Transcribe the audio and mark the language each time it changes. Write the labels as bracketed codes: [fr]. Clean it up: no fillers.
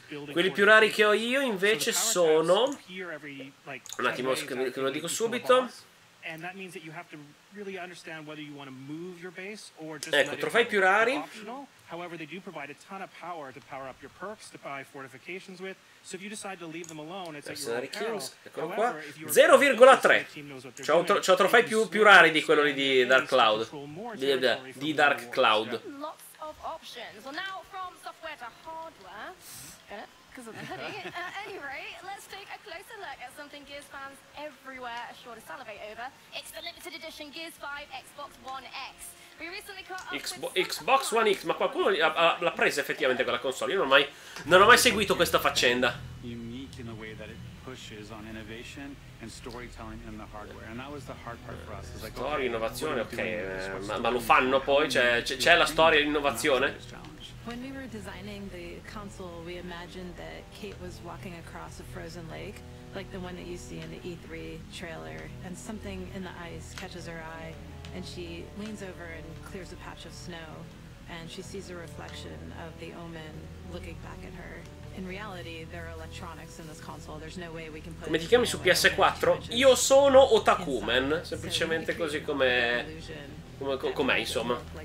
[it] Quelli più rari che ho io invece sono. Un attimo che lo dico subito. [en] And that means that you have to really understand whether you want to move your base or just [it] ecco, trofei più rari. [en] However, they do provide a ton of power to power up your perks, to buy fortifications with. So if you decide to leave them alone, it's like your own peril. 0,3. [it] C'ho trofei più rari di quello lì di Dark Cloud. Di Dark Cloud. [en] Lots of options. Well, now from software to hardware. Because of the hoodie. Anyway, let's take a closer look at something Gears fans everywhere are sure to salivate over. It's the limited edition Gears 5 Xbox One X. We recently caught up [it] Xbox One X, ma qualcuno l'ha presa effettivamente quella console. Io non ho mai seguito questa faccenda. [en] Unique in the way that it push is on innovation and storytelling in the hardware, and that was the hard part for us. [it] Like, storia, okay, innovazione, ok, ma lo fanno poi? Cioè, c'è la storia e l'innovazione? [en] When we were designing the console, we imagined that Kate was walking across a frozen lake, like the one that you see in the E3 trailer, and something in the ice catches her eye, and she leans over and clears a patch of snow, and she sees a reflection of the Omen looking back at her. In reality, there are electronics in this console. There's no way we can put. [it] Come ti chiami su PS4? Io sono Otakumen, semplicemente così come com'è, insomma.